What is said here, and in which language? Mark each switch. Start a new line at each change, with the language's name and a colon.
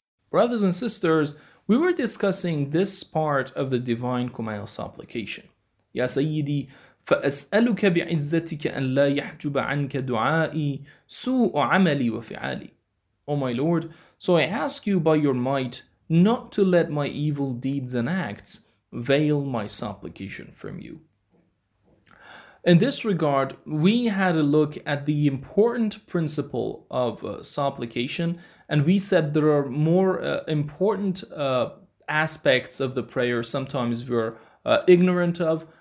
English: Brothers and sisters, we were discussing this part of the Divine Kumail supplication.
Arabic: يا سيدي فأسألك بعزتك أن لا يحجب عنك دعائي سوء عملي وفعالي.
English: O my Lord, so I ask you by your might not to let my evil deeds and acts veil my supplication from you. In this regard, we had a look at the important principle of supplication, and we said there are more important aspects of the prayer sometimes we're ignorant of.